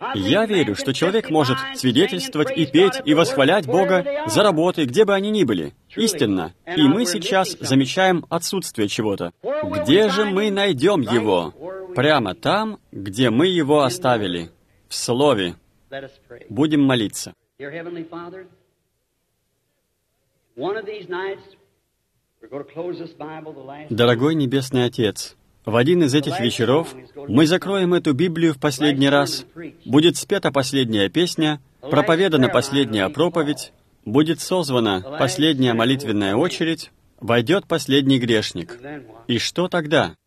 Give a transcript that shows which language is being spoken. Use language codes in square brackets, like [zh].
[ru] Я верю, что человек может свидетельствовать и петь, и восхвалять Бога за работой, где бы они ни были. Истинно. И мы сейчас замечаем отсутствие чего-то. Где же мы найдем его? Прямо там, где мы его оставили. В Слове. Будем молиться. [en] Dear Heavenly Father, one of these nights we're going to close this Bible. The last. [ru] Дорогой небесный Отец, в один из этих вечеров мы закроем эту Библию в последний раз. Будет спета последняя песня, проповедана последняя проповедь, будет созвана последняя молитвенная очередь, войдет последний грешник. И что тогда?